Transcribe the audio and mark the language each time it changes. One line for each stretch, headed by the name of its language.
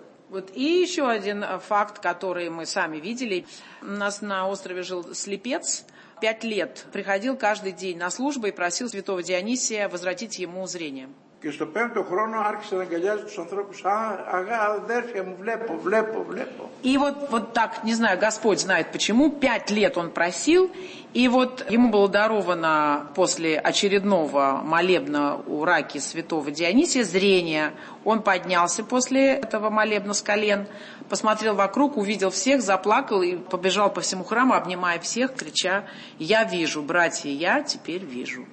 Russian: Вот и еще один факт, который мы сами видели. У нас на острове жил слепец. 5 лет приходил каждый день на службу и просил святого Дионисия возвратить ему зрение.
Greek: Και στο πέμπτο χρόνο άρχισε να αγκαλιάζει τους ανθρώπους. Αγά, αδέρφια μου, βλέπω, βλέπω, βλέπω.
Russian: И вот, вот так, не знаю, Господь знает почему, 5 лет он просил, и вот ему было даровано после очередного молебна у раки святого Дионисия зрение. Он поднялся после этого молебна с колен, посмотрел вокруг, увидел всех, заплакал и побежал по всему храму, обнимая всех, крича: «Я вижу, братья, я теперь вижу».